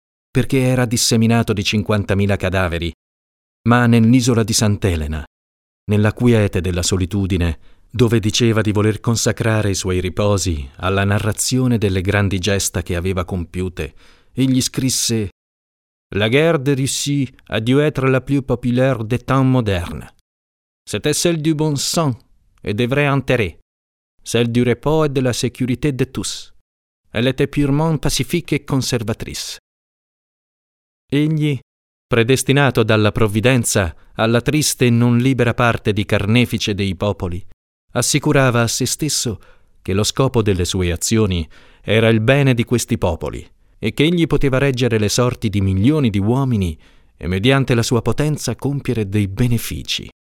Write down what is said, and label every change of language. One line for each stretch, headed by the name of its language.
Italian: perché era disseminato di 50.000 cadaveri, ma nell'isola di Sant'Elena, nella quiete della solitudine, dove diceva di voler consacrare i suoi riposi alla narrazione delle grandi gesta che aveva compiute, egli scrisse:
French: «La guerre de Russie a dû être la plus populaire des temps modernes. C'était celle du bon sang et des vrais intérêts, celle du repos et de la sécurité de tous. Elle était purement pacifique et conservatrice».
Italian: Egli, predestinato dalla provvidenza alla triste e non libera parte di carnefice dei popoli, assicurava a se stesso che lo scopo delle sue azioni era il bene di questi popoli e che egli poteva reggere le sorti di milioni di uomini e mediante la sua potenza compiere dei benefici.